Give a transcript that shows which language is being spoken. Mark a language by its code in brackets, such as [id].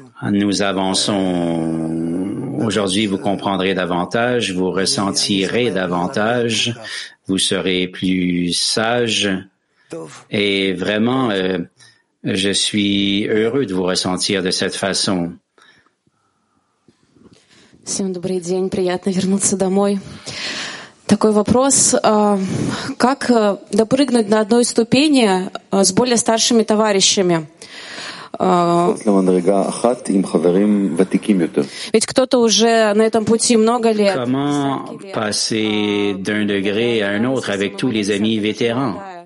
[fr] Nous avançons aujourd'hui, vous comprendrez davantage, vous ressentirez davantage, vous serez plus sage, et vraiment, je suis heureux de vous ressentir de cette façon. [ru] Всем добрый день, приятно вернуться домой. Такой вопрос, как допрыгнуть на одной ступени с более старшими товарищами? Ведь кто-то уже на этом пути много лет. [fr] Comment passer d'un degré à un autre avec tous les amis vétérans?